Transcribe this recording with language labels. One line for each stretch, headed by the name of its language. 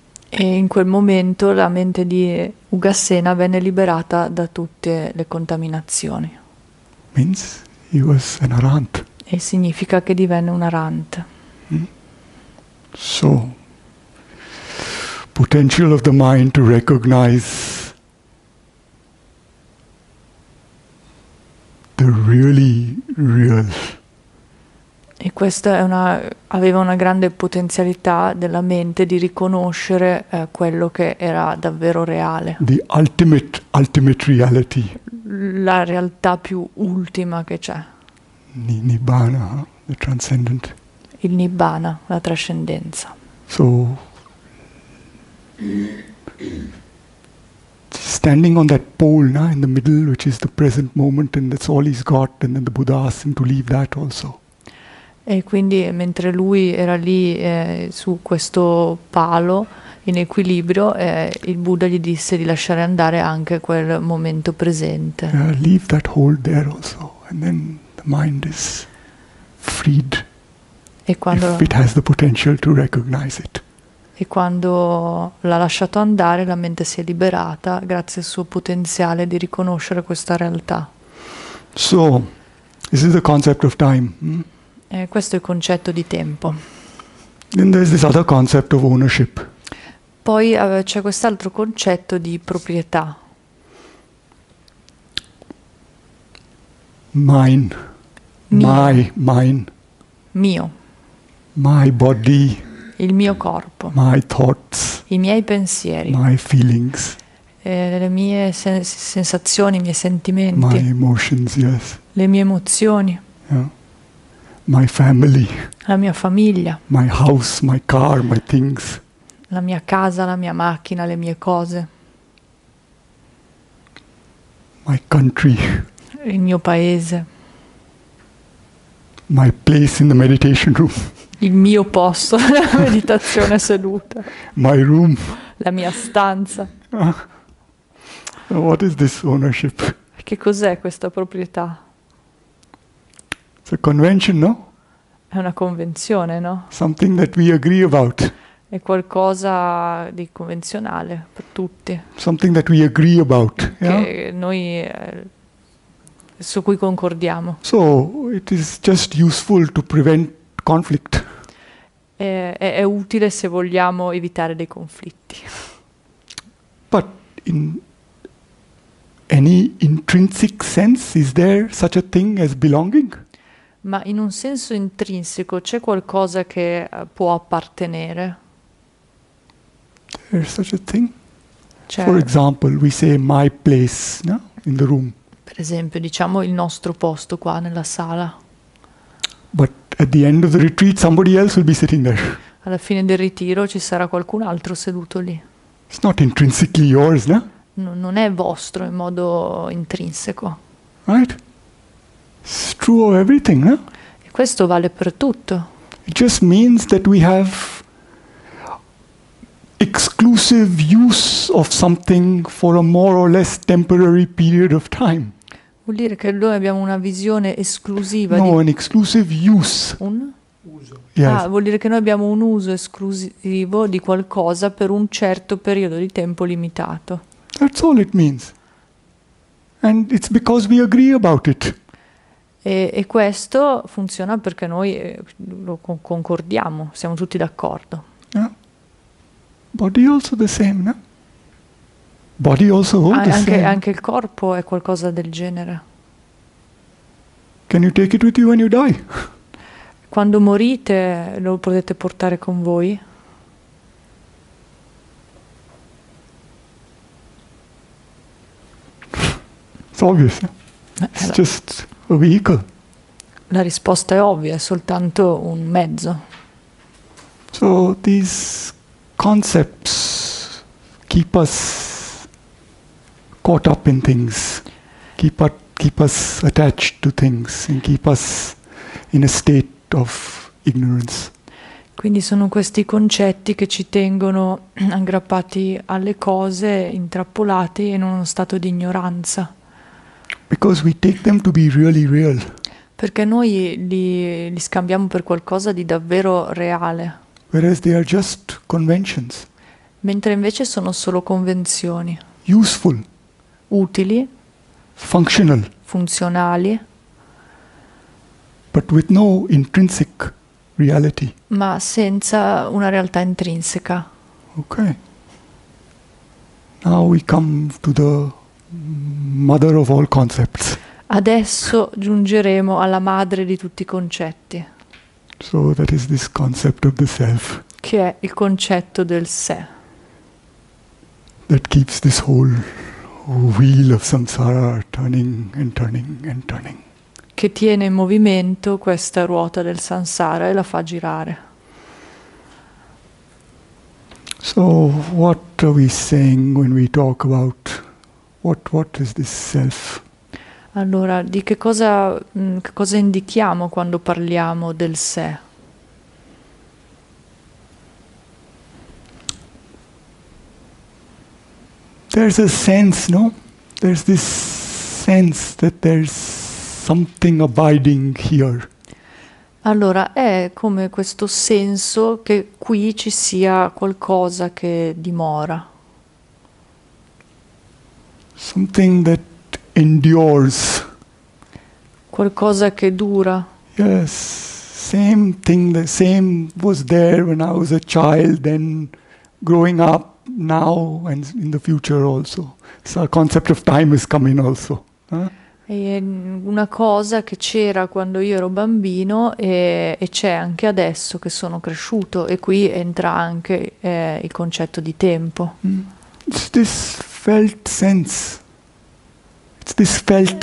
Italian: E in quel momento la mente di Ugasena venne liberata da tutte le contaminazioni.
English: Means he was an arant.
Italian: E significa che divenne un arant.
English: So, potential of the mind to recognize the really real.
Italian: E questa è una, aveva una grande potenzialità della mente di riconoscere quello che era davvero reale.
English: The ultimate reality.
Italian: La realtà più ultima che c'è.
English: Nibbana, the transcendent.
Italian: Il Nibbana, la trascendenza.
English: So, standing on that pole, na, in the middle, which is the present moment, and that's all he's got, and then the Buddha asks him to leave that also.
Italian: E quindi mentre lui era lì su questo palo in equilibrio, il Buddha gli disse di lasciare andare anche quel momento presente.
English: Leave that hold there also, and then the mind is freed.
Italian: E quando,
English: if it has the potential to recognize it.
Italian: E quando l'ha lasciato andare, la mente si è liberata grazie al suo potenziale di riconoscere questa realtà.
English: So, this is the concept of time.
Italian: Questo è il concetto di tempo.
English: Then there's this other concept of ownership.
Italian: Poi c'è quest'altro concetto di proprietà.
English: Mine.
Italian: Mio.
English: Mine.
Italian: Mio.
English: My body.
Italian: Il mio corpo.
English: My thoughts.
Italian: I miei pensieri.
English: My feelings.
Italian: Le mie sensazioni, i miei sentimenti.
English: My emotions, yes.
Italian: Le mie emozioni.
English: Yeah. My family.
Italian: La mia famiglia.
English: My house, my car, my things.
Italian: La mia casa, la mia macchina, le mie cose.
English: My country.
Italian: Il mio paese.
English: My place in the meditation room.
Italian: Il mio posto nella meditazione seduta.
English: My room.
Italian: La mia stanza.
English: What is this ownership?
Italian: Che cos'è questa proprietà?
English: A convention, no?
Italian: È una convenzione, no?
English: Something that we agree about.
Italian: È qualcosa di convenzionale per tutti.
English: Something that we agree about.
Italian: Che
English: yeah?
Italian: Noi su cui concordiamo.
English: So it is just useful to prevent conflict.
Italian: È utile se vogliamo evitare dei conflitti.
English: But in any intrinsic sense, is there such a thing as belonging?
Italian: Ma in un senso intrinseco c'è qualcosa che può appartenere?
English: There's such a thing. Cioè, for example, we say my place, no? In the room.
Italian: Per esempio, diciamo il nostro posto qua nella sala.
English: But at the end of the retreat somebody else will be sitting there.
Italian: Alla fine del ritiro ci sarà qualcun altro seduto lì.
English: It's not intrinsically yours, no?
Italian: Non è vostro in modo intrinseco.
English: Right? It's true of everything, no?
Italian: E questo vale per tutto.
English: It just means that we have exclusive use of something for a more or less temporary period of time.
Italian: Vuol dire che noi abbiamo una visione esclusiva.
English: No,
Italian: di
English: an exclusive use.
Italian: Un uso.
English: Yes.
Italian: Ah, vuol dire che noi abbiamo un uso esclusivo di qualcosa per un certo periodo di tempo limitato.
English: That's all it means. And it's because we agree about it.
Italian: E questo funziona perché noi lo concordiamo, siamo tutti d'accordo.
English: Yeah. Body also the same, no? Body also hold the
Italian: anche,
English: same.
Italian: Anche il corpo è qualcosa del genere.
English: Can you take it with you when you die?
Italian: Quando morite lo potete portare con voi?
English: It's obvious. It's just a vehicle.
Italian: La risposta è ovvia, è soltanto un mezzo.
English: So these concepts keep us caught up in things, keep us attached to things and keep us in a state of ignorance.
Italian: Quindi sono questi concetti che ci tengono aggrappati alle cose, intrappolati in uno stato di ignoranza.
English: Because we take them to be really real.
Italian: Perché noi li scambiamo per qualcosa di davvero reale,
English: Whereas they are just conventions.
Italian: mentre invece sono solo convenzioni,
English: Useful.
Italian: utili,
English: Functional.
Italian: funzionali,
English: But with no intrinsic reality.
Italian: ma senza una realtà intrinseca.
English: Okay. Now we come to the mother of all concepts.
Italian: Adesso giungeremo alla madre di tutti i concetti, che
English: So that is this concept of the self
Italian: è il concetto del sé.
English: that keeps this whole wheel of samsara turning and turning and turning.
Italian: Tiene in movimento questa ruota del samsara e la fa girare.
English: So, what are we saying when we talk about what is this self?
Italian: Allora, di che cosa indichiamo quando parliamo del sé?
English: There's a sense, no? There's this sense that there's something abiding here.
Italian: Allora, è come questo senso che qui ci sia qualcosa che dimora.
English: Something that endures.
Italian: Qualcosa che dura.
English: Yes, same thing, the same was there when I was a child, then growing up, now and in the future also. So a concept of time is coming also.
Italian: Una cosa che c'era quando io ero bambino e c'è anche adesso che sono cresciuto, e qui entra anche il concetto di tempo.
English: It's this felt sense. It's this felt